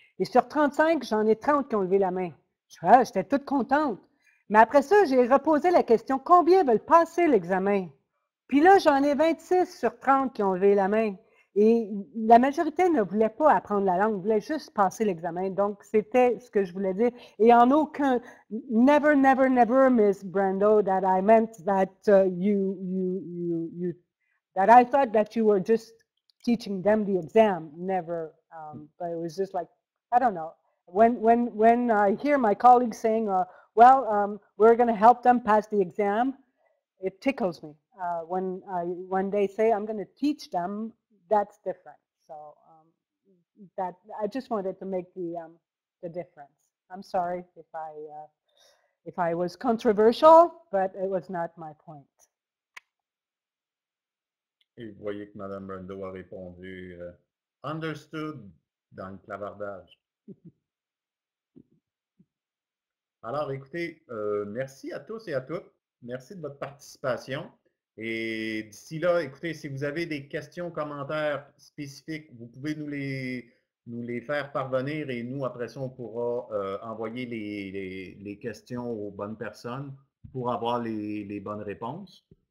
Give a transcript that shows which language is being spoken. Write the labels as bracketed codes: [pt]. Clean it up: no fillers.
[fr] Et sur 35, j'en ai 30 qui ont levé la main. J'étais toute contente. Mais après ça, j'ai reposé la question, combien veulent passer l'examen? Puis là, j'en ai 26 sur 30 qui ont levé la main. Et la majorité ne voulait pas apprendre la langue, voulait juste passer l'examen. Donc, c'était ce que je voulais dire. Et en aucun, [en] never, never, never, Miss Brando, that I meant that you, that I thought that you were just teaching them the exam. Never. But it was just like, I don't know. When I hear my colleagues saying, we're going to help them pass the exam, it tickles me. When they say, I'm going to teach them, that's different. So that I just wanted to make the difference. I'm sorry if I was controversial, but it was not my point. [fr] Et vous voyez que Madame Brando a répondu understood dans le clavardage. Alors écoutez, merci à tous et à toutes. Merci de votre participation. Et d'ici là, écoutez, si vous avez des questions, commentaires spécifiques, vous pouvez nous les faire parvenir et nous, après ça, on pourra envoyer les questions aux bonnes personnes pour avoir les bonnes réponses.